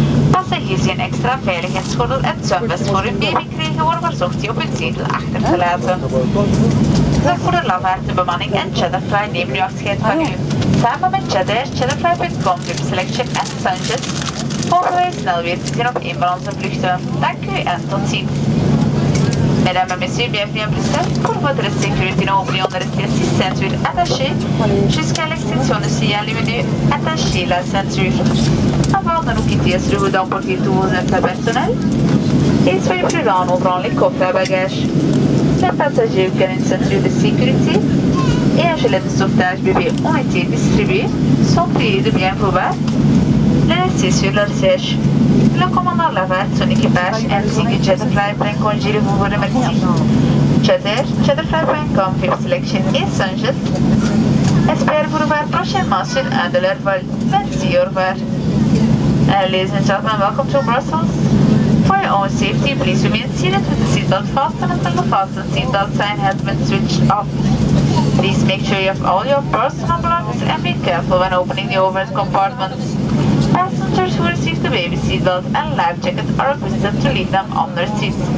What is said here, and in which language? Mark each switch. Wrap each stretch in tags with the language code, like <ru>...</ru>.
<nl>Passagiers die een extra veiligheidsgordel en zwembest voor hun baby krijgen, worden verzocht die op hun zetel achter te laten. Zorg voor de lavaart, de bemanning en Cheddarfly nemen nu afscheid van u. Samen met Cheddar, Cheddarfly.com, Group Selection en Sanchez. Hopen wij snel weer te zien op een van onze vluchten. Dank u en tot ziens.</nl> <fr>Mesdames en messieurs, bienvenue en Brussel. Pour votre sécurité, nous vous prions de rester 6 ceintures attachées jusqu'à l'extinction du signal lumineux. Attachez la ceinture. Avant de nous quitter, assurez-vous d'emporter tous vos effets personnels. Et soyez prudents en ouvrant les coffres à bagages. Les passagers qui ont une ceinture de sécurité et un gilet de sauvetage bébé ont été distribués, sont priés de bien vouloir les laisser sur leur siège. Le commandant Lavert, son équipage ainsi que Cheddarfly prend congé de vous remercier. Cheddar, Cheddarfly.com, Fifth Selection et Sanchez espèrent vous revoir prochainement sur un de leurs vols. Merci, au revoir.</fr> <en>Ladies and gentlemen, welcome to Brussels. For your own safety, please remain seated with the seatbelt fastened until the fastened seatbelt sign has been switched off. Please make sure you have all your personal belongings and be careful when opening the overhead compartments. Passengers who receive the baby seatbelt and life jacket are requested to leave them on their seats.</en>